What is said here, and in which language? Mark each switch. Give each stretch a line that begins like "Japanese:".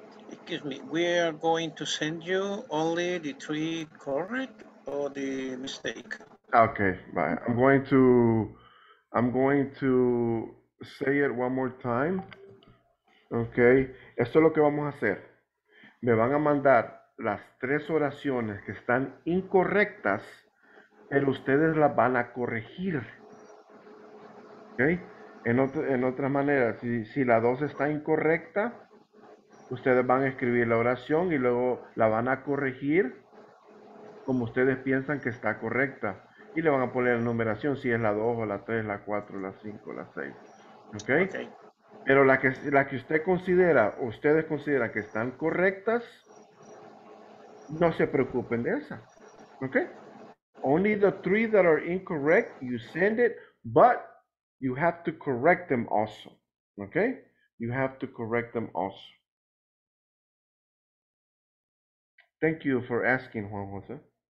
English: Excuse me, we are going to send you only the three correct or the mistake. Okay, bye. I'm going to say it one more time.
Spanish: Okay, esto es lo que vamos a hacer. Me van a mandar las tres oraciones que están incorrectas, pero ustedes las van a corregir. Okay, en otra manera, si la dos está incorrecta, ustedes van a escribir la oración y luego la van a corregir como ustedes piensan que está correcta. Y le van a poner la numeración, si es la 2 o la 3, la 4, la 5, la 6. ¿Okay? Ok. Pero la que usted considera, ustedes consideran que están correctas, no se preocupen de esa. Ok.
English: Only the three that are incorrect, you send it, but you have to correct them also. Ok. You have to correct them also. Thank you for asking, Juan José.